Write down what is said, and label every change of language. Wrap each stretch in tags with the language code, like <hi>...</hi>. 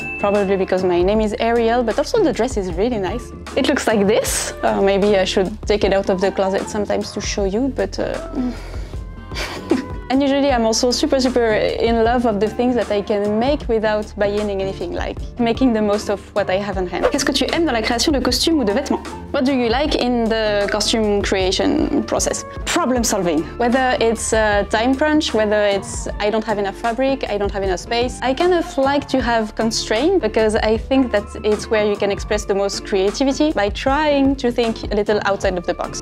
<en>Probably because my name is Ariel, but also the dress is really nice. It looks like this. Maybe I should take it out of the closet sometimes to show you, but... And usually I'm also super in love of the things that I can make without buying anything, like making the most of what I have on hand.</en> <fr>Qu'est-ce que tu aimes dans la création de costumes ou de vêtements?</fr> <en>What do you like in the costume creation process? Problem solving. Whether it's a time crunch, whether it's I don't have enough fabric, I don't have enough space. I kind of like to have constraint because I think that it's where you can express the most creativity by trying to think a little outside of the box.</en>